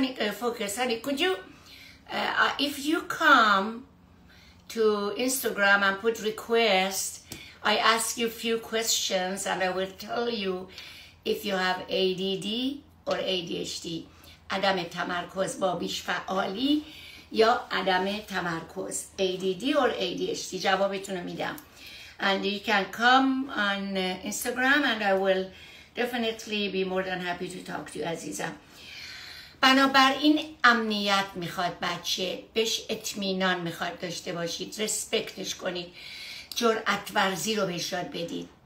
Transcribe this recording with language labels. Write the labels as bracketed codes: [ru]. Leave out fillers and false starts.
[en] Honey, could you if you come to Instagram and put request, I ask you a few questions and I will tell you if you have ADD or ADHD. [fa] عدم تمرکز با بیش فعالی یا عدم تمرکز ADD or ADHD، جوابتون رو میدم. [en] And you can come on Instagram and I will definitely be more than happy to talk to you عزیزم. [fa] بنابراین امنیت میخواد بچه، بهش اطمینان میخواد داشته باشید، رسپکتش کنید، جرأت ورزی رو بهش یاد بدید.